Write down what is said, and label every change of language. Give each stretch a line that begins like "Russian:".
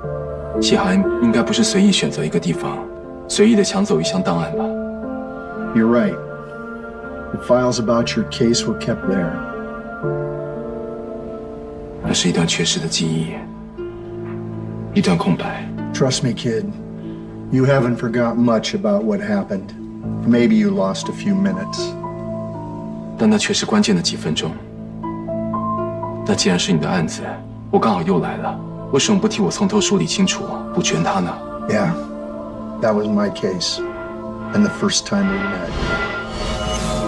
Chinese: 我并不知道自己的档案存在什么地方，但我想，谢涵应该不是随意选择一个地方。
English: You're right. The files about your case were kept there.
Chinese: 那是一段缺失的记忆，一段空白。
English: Trust me, kid. You haven't forgotten much about what happened. Maybe you lost a few minutes.
Chinese: 但那确实关键的几分钟。那既然是你的案子，我刚好又来了，为什么不替我从头梳理清楚，补全它呢？
English: Yeah. That was my case, and the first time we met.